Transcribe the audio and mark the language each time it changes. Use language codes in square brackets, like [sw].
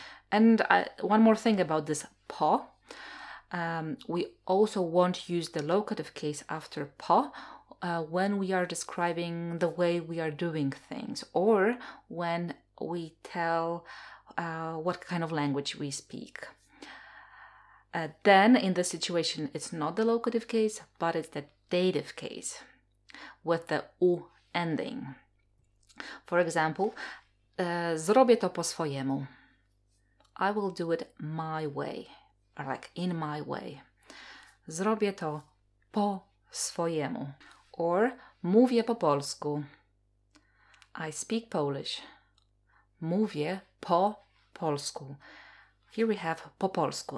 [en] And one more thing about this po. We also won't use the locative case after po when we are describing the way we are doing things or when we tell what kind of language we speak. Then in this situation, it's not the locative case, but it's the dative case with the u ending. For example, [pl] zrobię to po swojemu. [en] I will do it my way, or like in my way. [pl] Zrobię to po swojemu. Or mówię po polsku. [en] I speak Polish. [pl] Mówię po polsku. [en] Here we have [pl] po polsku.